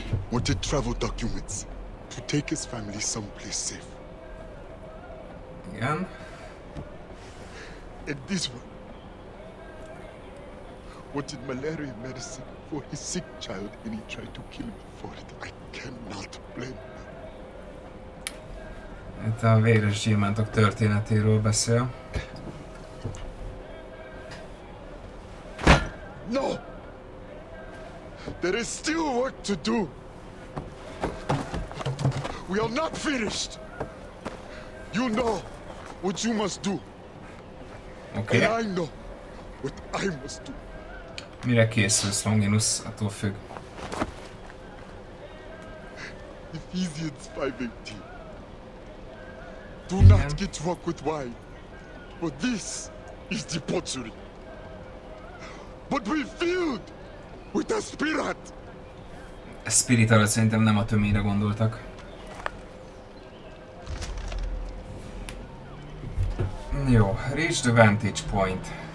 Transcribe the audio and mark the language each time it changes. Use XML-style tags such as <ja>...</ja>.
<en>Wanted travel documents to take his family someplace safe. Yeah. And this one wanted malaria medicine for his sick child, and he tried to kill me for it. I cannot blame him.</en> <hu>Itt a véres gyémántok történetéről beszél.</hu> <en>No! There is still work to do. We are not finished. You know what you must do. Okay. And I know what I must do.</en> <hu>Mire készülsz, Longinus? Attól függ.</hu> <en>Ephesians 5:18. Do not get drunk with wine, for this is debauchery. But be filled with the Spirit.</en> <hu>A Spirit arra szerintem nem a tömére gondoltak.</hu> <en>Jó, reach the vantage point.</en>